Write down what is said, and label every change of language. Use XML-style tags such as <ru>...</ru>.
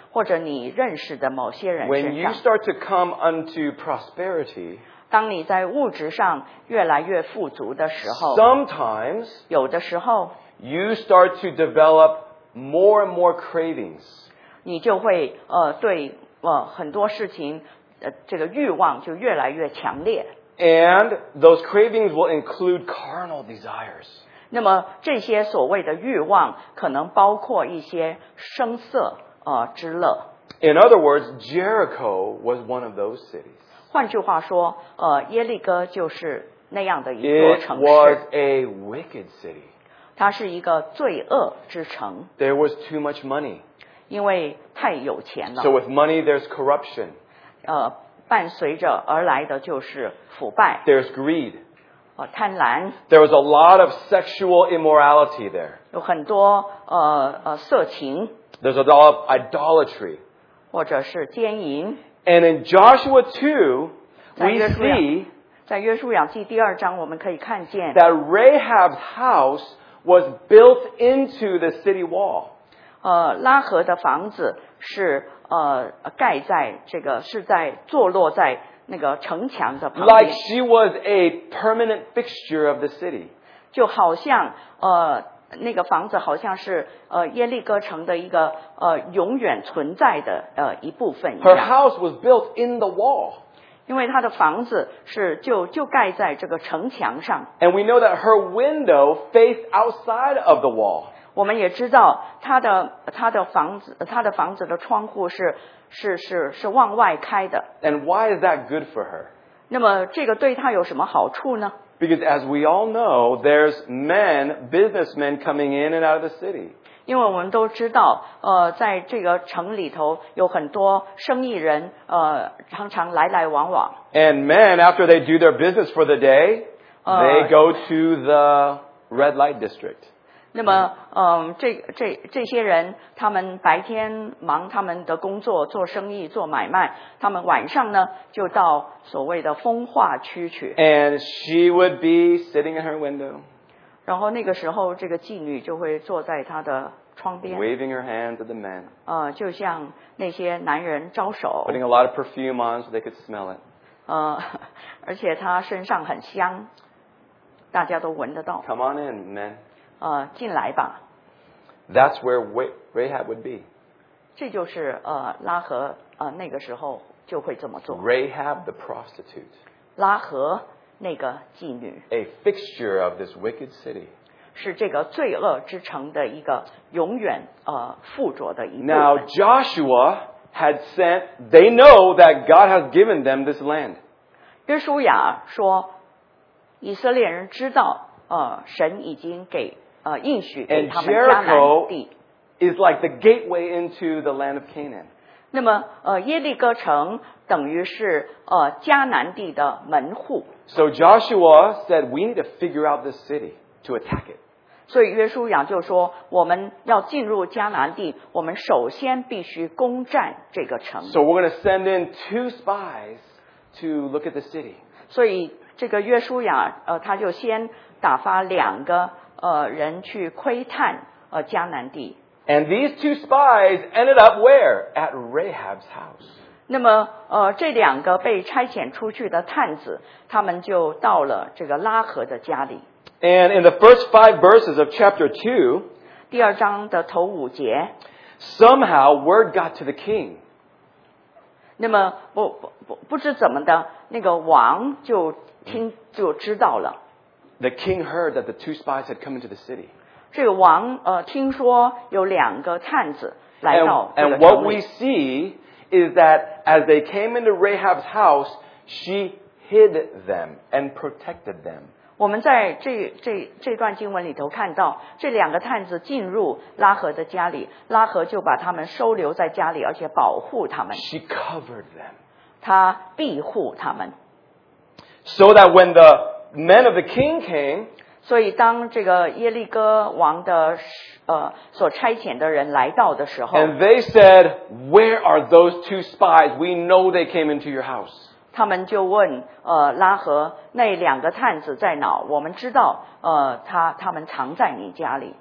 <zh>或者你认识的某些人身上。</zh> <en>When you start to come unto prosperity，</en> <zh>当你在物质上越来越富足的时候</zh> <en>，sometimes</en> <zh>有的时候</zh> <en>，you start to develop more and more cravings，</en> <zh>你就会对很多事情这个欲望就越来越强烈。</zh> <en>And those cravings will include carnal desires.</en> <zh>那么这些所谓的欲望可能包括一些声色之乐。</zh> <en>In other words, Jericho was one of those cities.</en> <zh>换句话说耶利哥就是那样的一座城市。</zh> <en>It was a wicked city.</en> <zh>它是一个罪恶之城。</zh> <en>There was too much money.</en> <zh>因为太有钱了。</zh> <en>So with money, there's corruption.</en> <zh>伴随着而来的就是腐败。</zh> <en>There's greed.</en> <zh>贪婪。</zh> <en>There was a lot of sexual immorality there.</en> <zh>有很多色情。</zh> <en>There's a lot of idolatry.</en> <zh>或者是奸淫。</zh> <en>And in Joshua 2, we see</en> <zh>在约书亚记第二章我们可以看见</zh> <en>that Rahab's house was built into the city wall.</en> <zh>拉合的房子是盖在这个是在坐落在那个城墙的旁边。</zh> <en>Like she was a permanent fixture of the city.</en> <zh>就好像那个房子好像是耶利哥城的一个永远存在的一部分一样。</zh> <en>Her house was built in the wall.</en> <zh>因为她的房子是就盖在这个城墙上。</zh> <en>And we know that her window faced outside of the wall.</en> <zh>我们也知道她的房子的窗户是往外开的。</zh> <en>And why is that good for her?</en> <zh>那么这个对她有什么好处呢？</zh> <en>Because as we all know, there's men, businessmen coming in and out of the city.</en> <zh>因为我们都知道，在这个城里头有很多生意人，常常来来往往。</zh> <en>And men, after they do their business for the day, they go to the red light district.</en> <zh>那么，这些人，他们白天忙他们的工作，做生意，做买卖，他们晚上呢，就到所谓的风化区去。</zh> <en>And she would be sitting in her window.</en> <zh>然后那个时候，这个妓女就会坐在她的窗边。</zh> <en>Waving her hands at the men.</en> <zh>就像那些男人招手。</zh> <en>Putting a lot of perfume on so they could smell it.</en> <zh>而且她身上很香，大家都闻得到。</zh> <en>Come on in, men.</en> <zh>进来吧。</zh> <en>That's where Rahab would be.</en> <zh>这就是拉合那个时候就会这么做。</zh> <en>Rahab the prostitute.</en> <zh>拉合那个妓女。</zh> <en>A fixture of this wicked city.</en> <zh>是这个罪恶之城的一个永远附着的一部分。</zh> <en>Now Joshua had sent. They know that God has given them this land.</en> <zh>约书亚说，以色列人知道。神已经给应许给他们迦南地。</zh> <en>Is like the gateway into the land of Canaan.</en> <zh>那么耶利哥城等于是迦南地的门户。</zh> <en>So Joshua said we need to figure out this city to attack it.</en> <zh>所以约书亚就说我们要进入迦南地，我们首先必须攻占这个城。</zh> <en>So we're going to send in two spies to look at the city.</en> <zh>所以这个约书亚他就先打发两个人去窥探迦南地。</zh> <en>And these two spies ended up where? At Rahab's house.</en> <zh>那么这两个被差遣出去的探子，他们就到了这个拉合的家里。</zh> <en>And in the first five verses of chapter 2,</en> <zh>第二章的头五节，</zh> <en>somehow word got to the king.</en> <zh>那么不知怎么的，那个王就知道了。</zh> <en>The king heard that the two spies had come into the city.</en> <zh>这个王听说有两个探子来到这个城里。</zh> <en>And what we see is that as they came into Rahab's house, she hid them and protected them.</en> <zh>我们在这段经文里头看到，这两个探子进入拉合的家里，拉合就把他们收留在家里，而且保护他们。</zh> <en>She covered them.</en> <zh>她庇护他们。</zh> <en>So that when the men of the king came,</en> <zh>所以当这个耶利哥王的所差遣的人来到的时候，</zh> <en>and they said, where are those two spies? We know they came into your house.</en> <zh>他们就问拉合，那两个探子在哪？我们知道他们藏在你家里。</zh>